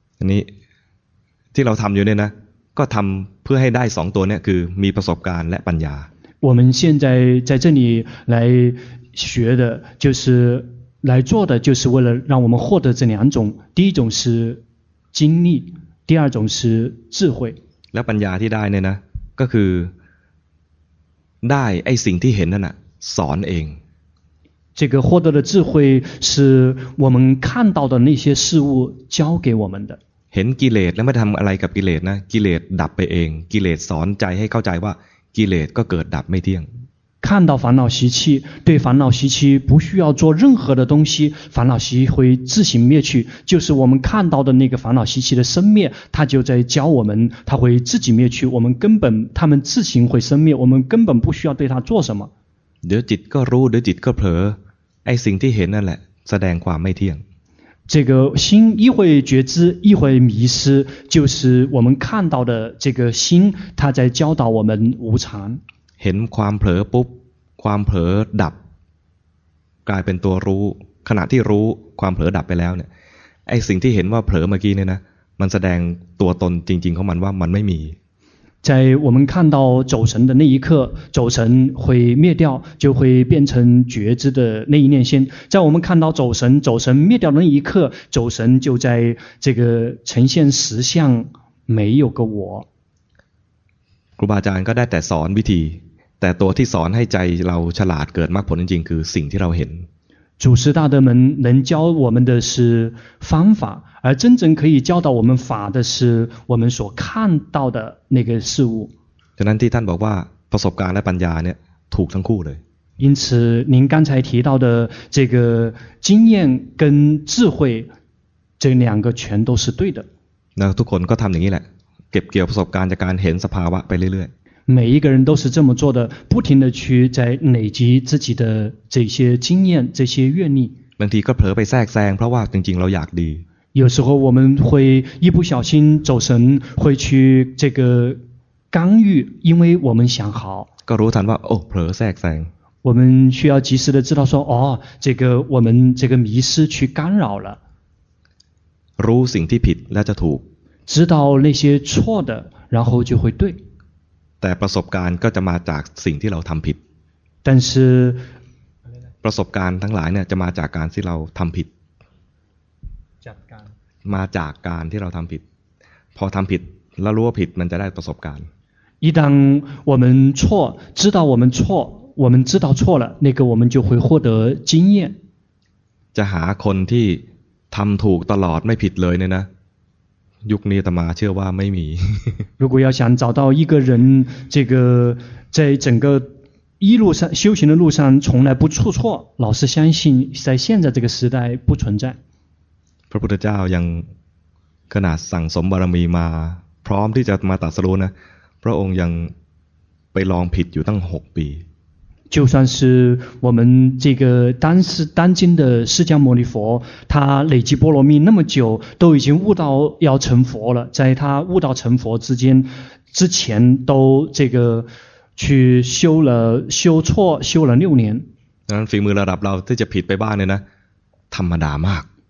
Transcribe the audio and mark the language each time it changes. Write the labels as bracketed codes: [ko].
[th] 你ที่เราทำอยู่เนี่ยนะก็ทำเพื่อให้ได้สองตัวเนี่ยคือมีประสบการณ์และปัญญา [zh] 我们现在在这里来学的就是来做的就是为了让我们获得这两种第一种是经历第二种是智慧 [th] แล้วปัญญาที่ได้เนี่ยนะก็คือได้ไอ้สิ่งที่เห็นนั่นน่ะสอนเอง [zh] 这个获得的智慧是我们看到的那些事物教给我们的 [th] เห็นกิเลสแล้วไม่ทำอะไรกับกิเลสนะกิเลสดับไปเองกิเลสสอนใจให้เข้าใจว่ากิเลสก็เกิดดับไม่เที่ยง [zh] 看到烦恼习气对烦恼习气不需要做任何的东西烦恼习会自行灭去就是我们看到的那个烦恼习气的生灭它就在教我们它会自己灭去我们根本它们自行会生灭我们根本不需要对它做什么 [th] เดี๋ยวจิตก็รู้เดี๋ยวจิตก็เผลอไอ้สิ่งที่เห็นนั่นแหละแสดงความไม่เที่ยง [zh] 这个心一会觉知一会迷失就是我们看到的这个心它在教导我们无常 [th] เห็นความเผลอปุ๊บความเผลอดับกลายเป็นตัวรู้ขณะที่รู้ความเผลอดับไปแล้วเนี่ยไอสิ่งที่เห็นว่าเผลอเมื่อกี้เนี่ยนะมันแสดงตัวตนจริงๆของมันว่ามันไม่มี [zh] 在我们看到走神的那一刻走神会灭掉就会变成觉知的那一念心在我们看到走神灭掉的那一刻走神就在这个呈现实相没有个我 [th] ครูบาอาจารย์ก็ได้แต่สอนวิธีแต่ตัวที่สอนให้ใจเราฉลาดเกิดมรรคผลจริงๆคือสิ่งที่เราเห็น [zh] 祖师大德们能教我们的是方法而真正可以教导我们法的是我们所看到的那个事物 [th] ฉะนั้นที่ท่านบอกว่าประสบการณ์และปัญญาเนี่ยถูกทั้งคู่เลย [zh] 因此您刚才提到的这个经验跟智慧这两个全都是对的 [th] 那ทุกคนก็ทำอย่างนี้แหละ็บเกี่ยวประสบการณ์จากการเห็นสภาวะไปเรื่อยๆ [zh] 每一个人都是这么做的，不停的去在累积自己的这些经验、这些阅历。 [th] บางทีก็เผลอไปแทรกแซงเพราะว่าจริงๆเราอยากดี。 [zh] 有时候我们会一不小心走神，会去这个干预，因为我们想好。 [th] ก็รู้ทันว่าโอ้เผลอแทรกแซง。 [zh] 我们需要及时的知道说，哦，这个我们这个迷失去干扰了。 [th] รู้สิ่งที่ผิดและจะถูก。 [zh] 知道那些错的，然后就会对。 [th] แต่ประสบการณ์ก็จะมาจากสิ่งที่เราทำผิด [zh] 但是 [th] ประสบการณ์ทั้งหลายเนี่ยจะมาจากการที่เราทำผิด จัดการ มาจากการที่เราทำผิดพอทำผิดแล้วรู้ว่าผิดมันจะได้ประสบการณ์ [zh] 一旦我们错知道我们错我们知道错了那个我们就会获得经验 [th] จะหาคนที่ทำถูกตลอดไม่ผิดเลยเนี่ยนะยุคนี้ตมาเชื่อว่าไม่มี [zh] 如果要想找到一个人这个在整个一路上修行的路上从来不出错老师相信在现在这个时代不存在 [th] พระพุทธเจ้ายังขนาดสั่งสมบารมีมาพร้อมที่จะมาตรัสรู้นะพระองค์ยังไปลองผิดอยู่ตั้ง6ปี [zh] 就算是我们这个当今的释迦牟尼佛他累积波罗蜜那么久都已经悟到要成佛了在他悟到成佛之前都这个去修了修错修了六年 [th] นั้นฝีมือระดับเราที่จะผิดไปบ้างเนี่ยนะธรรมดามาก